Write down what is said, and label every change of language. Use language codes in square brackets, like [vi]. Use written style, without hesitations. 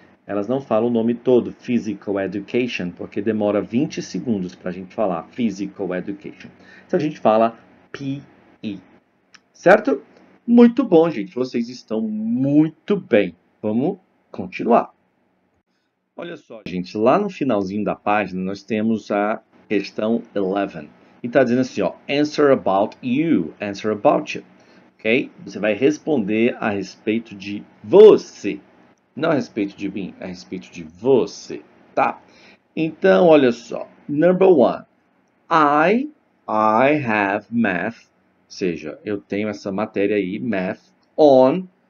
[pt] Elas não falam o nome todo, physical education, porque demora 20 segundos para a gente falar physical education. Então, a gente fala PE, certo? Muito bom, gente. Vocês estão muito bem. Vamos continuar. Olha só, gente. Lá no finalzinho da página, nós temos a questão 11. E está dizendo assim, ó, [en] answer about you, answer about you. [pt] Ok? Você vai responder a respeito de você. Não a respeito de mim, a respeito de você, tá? Então, olha só. [en] Number one. I have math. [pt] Ou seja, eu tenho essa matéria aí, math, on.